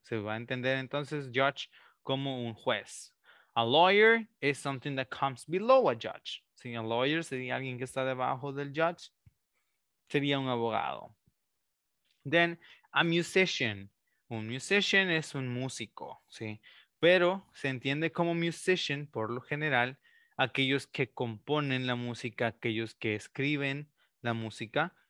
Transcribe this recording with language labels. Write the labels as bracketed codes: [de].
[es] Se va a entender entonces judge como un juez. [en] A lawyer is something that comes below a judge. [es] ¿Sí? A lawyer sería alguien que está debajo del judge. Sería un abogado. [en] Then a musician. [es] Un musician es un músico, ¿sí? Pero se entiende como musician, por lo general, aquellos que componen la música, aquellos que escriben la música.